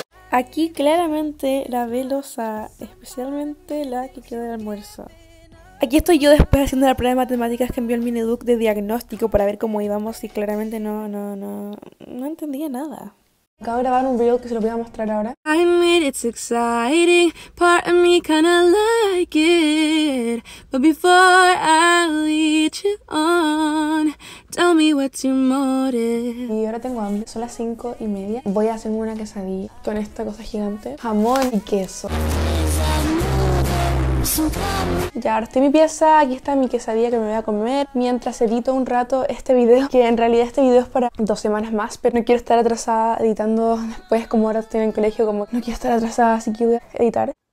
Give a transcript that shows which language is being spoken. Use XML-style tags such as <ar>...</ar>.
<es>Aquí claramente la velosa, especialmente la que queda de almuerzo. Aquí estoy yo después haciendo la prueba de matemáticas que envió el Mineduc de diagnóstico para ver cómo íbamos y claramente no entendía nada. Acabo de grabar un reel que se lo voy a mostrar ahora.</es> <en>I mean, it's exciting, part of me kinda like it. But before I lead you on, tell me what's your motive.</en> <es>Y ahora tengo hambre, son las 5 y media. Voy a hacer una quesadilla con esta cosa gigante. Jamón y queso. Ya, ahora estoy en mi pieza, aquí está mi quesadilla que me voy a comer mientras edito un rato este video, que en realidad este video es para 2 semanas más, pero no quiero estar atrasada editando después, como ahora estoy en el colegio, como no quiero estar atrasada, así que voy a editar.</es>